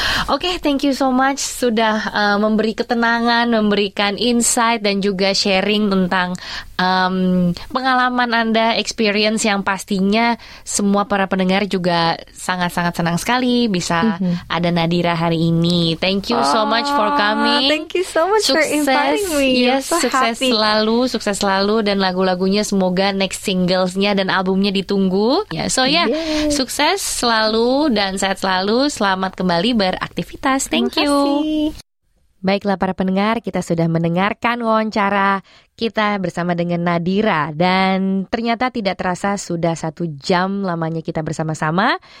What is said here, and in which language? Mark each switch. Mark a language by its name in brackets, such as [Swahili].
[English] Okay, thank you so much [Indonesian] sudah memberi ketenangan, memberikan insight dan juga sharing tentang pengalaman Anda, experience yang pastinya semua para pendengar juga sangat-sangat senang sekali bisa ada Nadira hari ini. [English] Thank you so much for coming. Thank you so much for inviting me. [Indonesian] Yes, sukses selalu, dan lagu-lagunya semoga next singles-nya dan albumnya ditunggu. Sukses selalu dan sehat selalu. Selamat kembali beraktivitas. [English] Thank you. [Indonesian] Baiklah para pendengar, kita sudah mendengarkan wawancara kita bersama dengan Nadira, dan ternyata tidak terasa sudah 1 jam lamanya kita bersama-sama.